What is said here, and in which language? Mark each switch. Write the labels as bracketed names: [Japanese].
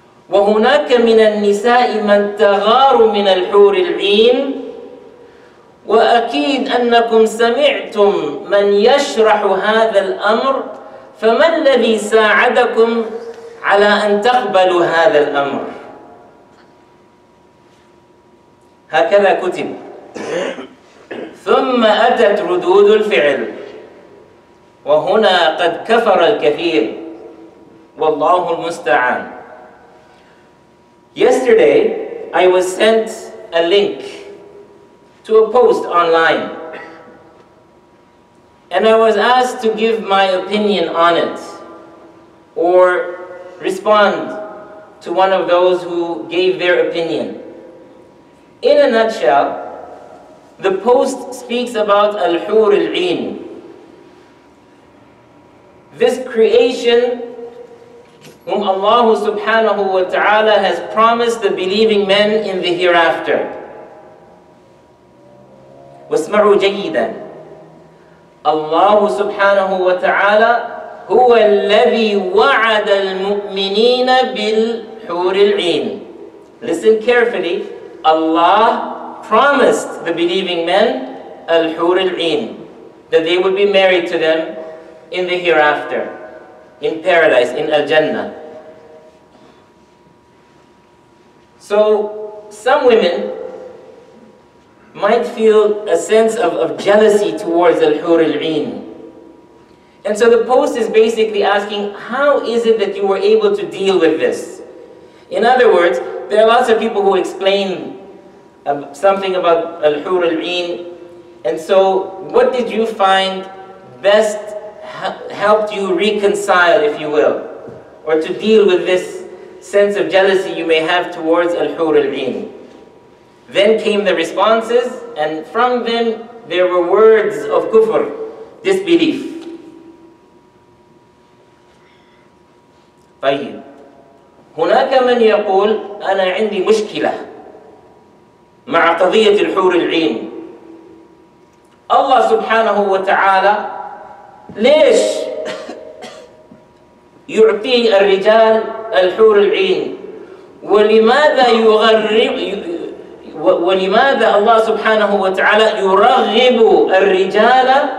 [Arabic] وهناك من النساء من تغار من الحور العين وأكيد أنكم سمعتم من يشرح هذا الأمر فما الذي ساعدكم على أن تقبلوا هذا الأمر؟ هكذا كتب. ثم أتت ردود الفعل وهنا قد كفر الكثير والله المستعان. [English] Yesterday I was sent a link to a post online and I was asked to give my opinion on it or respond to one of those who gave their opinion. In a nutshell, the post speaks about al-hur al-'ain, this creation whom Allah subhanahu wa ta'ala has promised the believing men in the hereafter. [Arabic] واسمعوا جيدا. Allah subhanahu wa ta'ala هو الذي وعد المؤمنين بالحور العين. [English] Listen carefully. Allah promised the believing men الحور العين, that they would be married to them in the hereafter, in paradise, in Al-Jannah. So some women might feel a sense of jealousy towards Al-Hur Al-Een. And so the post is basically asking, how is it that you were able to deal with this? In other words, there are lots of people who explain something about Al-Hur Al-Een. And so what did you find best helped you reconcile, if you will, or to deal with this sense of jealousy you may have towards Al-Hur Al-Een? Then came the responses, and from them there were words of kufr, disbelief. [Arabic] طيب هناك من يقول انا عندي مشكله مع قضيه الحور العين. الله سبحانه وتعالى ليش يعطي الرجال الحور العين ولماذا يغرب ولماذا الله سبحانه وتعالى يرغب الرجال